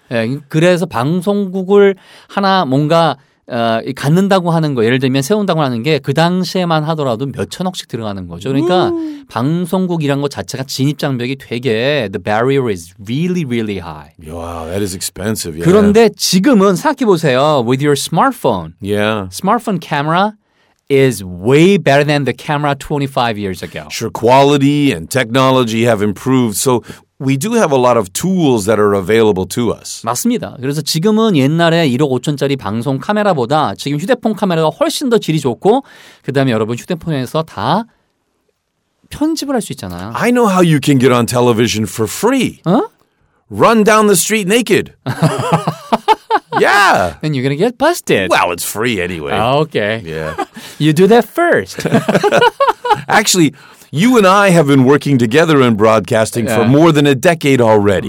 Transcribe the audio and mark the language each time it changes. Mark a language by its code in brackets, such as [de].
[ko] 예, 그래서 방송국을 하나 뭔가 갖는다고 하는 거, 예를 들면 세운다고 하는 게 그 당시에만 하더라도 몇 천억씩 들어가는 거죠. 그러니까 방송국이란 것 자체가 진입 장벽이 되게 [en] the barrier is really really high. Wow, that is expensive. Yeah. [ko] 그런데 지금은 생각해 보세요. [en] With your smartphone, yeah, smartphone camera. Is way better than the camera 25 years ago. Sure, quality and technology have improved. So we do have a lot of tools that are available to us. [ko] 맞습니다. 그래서 지금은 옛날에 1억 5천짜리 방송 카메라보다 지금 휴대폰 카메라가 훨씬 더 질이 좋고 그다음에 여러분 휴대폰에서 다 편집을 할 수 있잖아요. [en] I know how you can get on television for free. [ko] 어? [en] Run down the street naked. Yeah. And you're going to get busted. Well, it's free anyway. Okay. Yeah. You do that first. Actually, you and I have been working together in broadcasting for more than a decade already.